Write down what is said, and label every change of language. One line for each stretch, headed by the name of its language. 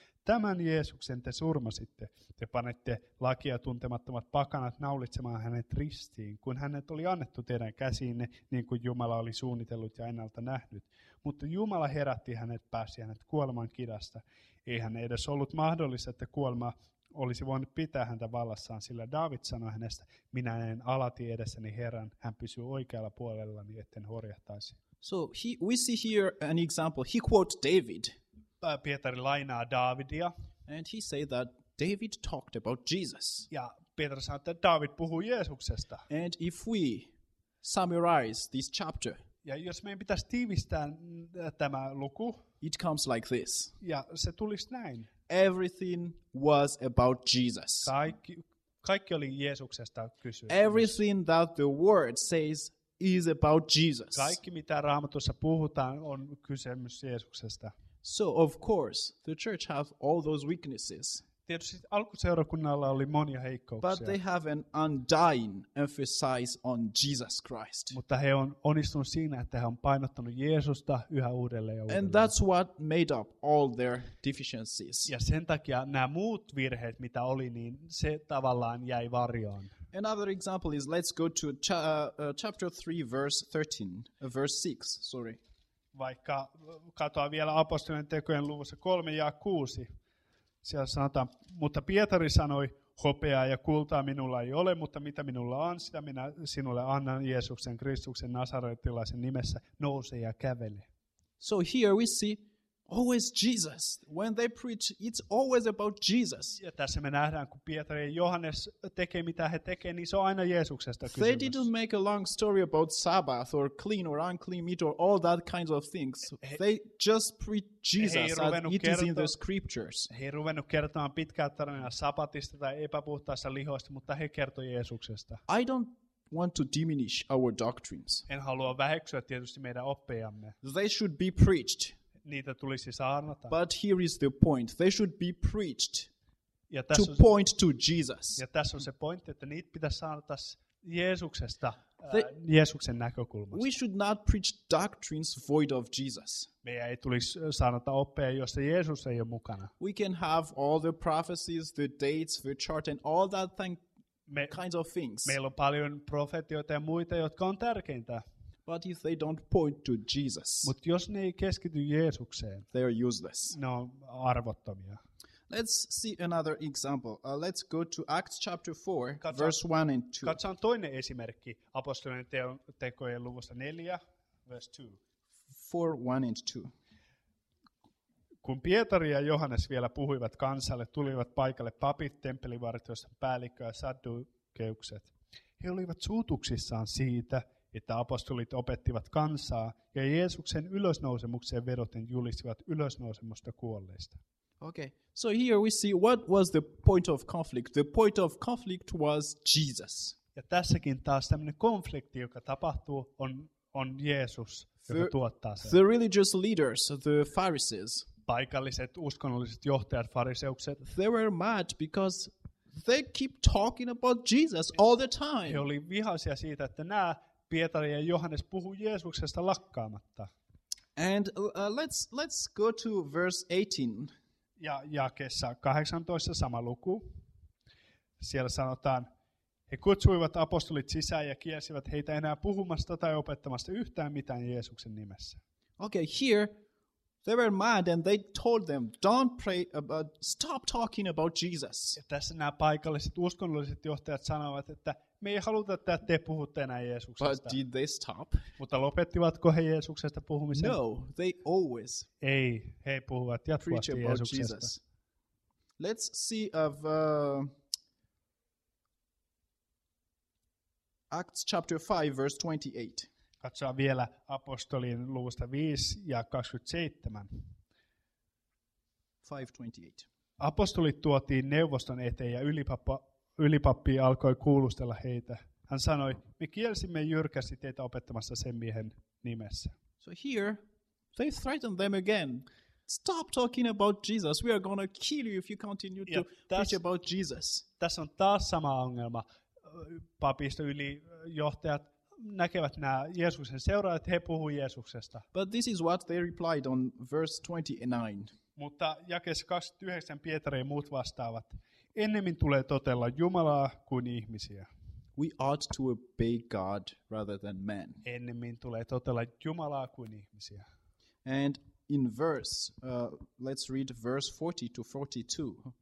Finnish: Tämän Jeesuksen te surmasitte. Te panette lakia tuntemattomat pakanat naulitsemaan hänet ristiin, kun hänet oli annettu teidän käsiinne, niin kuin Jumala oli suunnitellut ja ennalta nähnyt. Mutta Jumala herätti hänet, pääsi hänet kuoleman kidasta. Ei hän edes ollut mahdollista, että kuolema olisi voinut pitää häntä vallassaan, sillä David sanoi hänestä, minä en alati edessäni Herran, hän pysyy oikealla puolellani, etten horjahtaisi.
English: So we see here an example. He quotes David.
Finnish: Pietari lainaa Davidia.
English: And he say that David talked about Jesus.
Finnish: Ja Pietari sanoo, että David puhui Jeesuksesta.
English: And if we summarize this chapter.
Finnish: Ja jos meidän pitäisi tiivistää tämä luku.
English: It comes like this.
Finnish: Ja se tulisi näin.
English: Everything was about Jesus.
Finnish: Kaikki oli Jeesuksesta kysymys.
English: Everything that the word says is about Jesus.
Finnish: Kaikki mitä Raamatussa puhutaan on kysymys Jeesuksesta.
English: So of course the church has all those weaknesses.
Finnish: Tietysti alkuseurakunnalla oli monia heikkouksia.
English: But they have an undying emphasis on Jesus Christ.
Finnish: Mutta he on onnistunut siinä, että he on painottanut Jeesusta yhä uudelleen ja uudelleen.
English: And that's what made up all their deficiencies.
Finnish: Ja sen takia nämä muut virheet, mitä oli, niin se tavallaan jäi varjoon.
English: Another example is, let's go to chapter 3, verse 13, verse 6, sorry.
Finnish: Vaikka katoa vielä apostolien tekojen luvussa 3 ja 6. Siellä sanotaan, mutta Pietari sanoi, hopeaa ja kultaa minulla ei ole, mutta mitä minulla on, sitä minä sinulle annan Jeesuksen Kristuksen Nasaretilaisen nimessä, nouse ja kävele.
English: So here we see always Jesus. When they preach, it's always about Jesus.
Finnish: Ja tässä me nähdään, kun Pietari ja Johannes tekee mitä he tekee, niin se on aina Jeesuksesta kysymys.
English: They didn't make a long story about Sabbath or clean or unclean meat or all that kinds of things. They just preach Jesus as it is in the scriptures.
Finnish: He ei ruvennut kertomaan pitkää tarinaa sabbatista tai epäpuhtaista lihoista, mutta he kertoi Jeesuksesta.
English: I don't want to diminish our doctrines.
Finnish: En halua väheksyä tietysti meidän oppejamme.
English: They should be preached.
Finnish: Niitä tulisi saarnata.
English: But here is the point. They should be preached
Finnish: ja
English: to point to Jesus.
Finnish: Ja tässä on se pointti, että niitä pitäisi saarnata Jeesuksesta, Jeesuksen näkökulmasta.
English: We should not preach doctrines void of Jesus.
Finnish: Meidän ei tulisi saarnata oppeja, jossa Jeesus ei ole mukana.
English: We can have all the prophecies, the dates, the chart and all that kinds of things.
Finnish: Meillä on paljon profetioita ja muita, jotka on tärkeintä.
English: But if they don't point to Jesus,
Finnish: mut jos ne ei keskity Jeesukseen,
English: they are useless.
Finnish: Ne on arvottomia.
English: Let's see another example. Let's go to Acts chapter 4, verse 1 and 2.
Finnish: Katsotaan toinen esimerkki apostolien tekojen luvusta 4, verse 2.
English: 4, 1 and 2.
Finnish: Kun Pietari ja Johannes vielä puhuivat kansalle, tulivat paikalle papit, temppelivartioiden päällikkö ja saddukeukset. He olivat suutuksissaan siitä, että apostolit opettivat kansaa ja Jeesuksen ylösnousemukseen vedoten julistivat ylösnousemusta kuolleista.
English: Okay, so here we see what was the point of conflict. The point of conflict was Jesus.
Finnish: Ja tässäkin taas tämmöinen konflikti, joka tapahtuu, on Jeesus, joka tuottaa sen.
English: The religious leaders, the Pharisees.
Finnish: Paikalliset uskonnolliset johtajat, fariseukset.
English: They were mad because they keep talking about Jesus all the time.
Finnish: He oli vihaisia siitä, että nämä Pietari ja Johannes puhuu Jeesuksesta lakkaamatta.
English: And let's go to verse 18.
Finnish: ja jakeessa 18 sama luku. Siellä sanotaan, he kutsuivat apostolit sisään ja kielsivät heitä enää puhumasta tai opettamasta yhtään mitään Jeesuksen nimessä.
English: Okay, here they were mad and they told them, don't pray, stop talking about Jesus.
Finnish: Ja tässä nämä paikalliset uskonnolliset johtajat sanovat, että me ei haluta, että te puhutte enää Jeesuksesta.
English: But did they stop?
Finnish: Mutta lopettivatko he Jeesuksesta puhumisen?
English: No, they always.
Finnish: Ei, he puhuvat jatkuvasti
English: preach about
Finnish: Jeesuksesta.
English: Jesus. Let's see of Acts chapter 5 verse 28.
Finnish: Katsotaan vielä apostolien luvusta 5 ja 27.
English: 5:28.
Finnish: Apostolit tuotiin neuvoston eteen ja ylipappi alkoi kuulustella heitä. Hän sanoi, me kielsimme jyrkästi teitä opettamassa sen miehen nimessä.
English: So here they threaten them again. Stop talking about Jesus. We are going to kill you if you continue to preach about Jesus.
Finnish: Tässä on taas sama ongelma. Papisto ylijohtajat näkevät nämä Jeesuksen seuraajat, he puhuvat Jeesuksesta.
English: But this is what they replied on verse 29.
Finnish: Mutta jakeessa 29 Pietari ja muut vastaavat. Ennemmin tulee totella Jumalaa kuin ihmisiä.
English: We ought to obey God rather than men.
Finnish: Ennemmin tulee totella Jumalaa kuin ihmisiä.
English: And in verse, let's read verse 40-42.